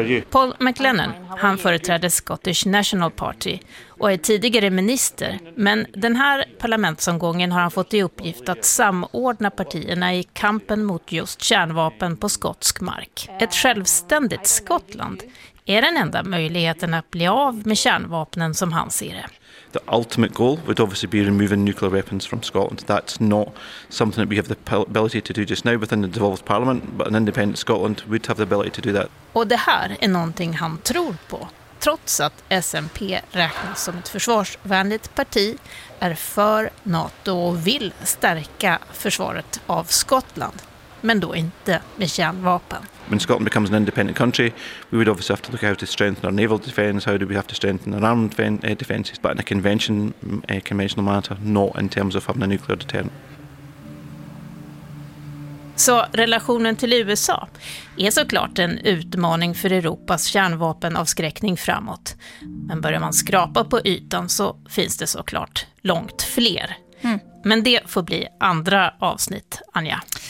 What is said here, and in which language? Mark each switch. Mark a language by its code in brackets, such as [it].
[sv] Paul McLennan, han företräder Scottish National Party och är tidigare minister, men den här parlamentsomgången har han fått i uppgift att samordna partierna i kampen mot just kärnvapen på skotsk mark. Ett självständigt Skottland är den enda möjligheten att bli av med kärnvapnen som han ser det. [en] The ultimate goal would obviously be removing nuclear weapons from Scotland. That's not something that we have the ability to do just now within the devolved parliament, but an independent Scotland would have the ability to do that. [sv] Och det här är någonting han tror på. Trots att SNP räknas som ett försvarsvänligt parti, är för NATO och vill stärka försvaret av Skottland, men då inte med kärnvapen. [en] When Scotland becomes an independent country, we would obviously have to look at how to strengthen our naval defence, how do we have to strengthen our armed defences, but in a conventional matter, not in terms of having a nuclear deterrent. [sv] Så relationen till USA är såklart en utmaning för Europas kärnvapenavskräckning framåt. Men börjar man skrapa på ytan så finns det såklart långt fler. Mm. Men det får bli andra avsnitt, Anja.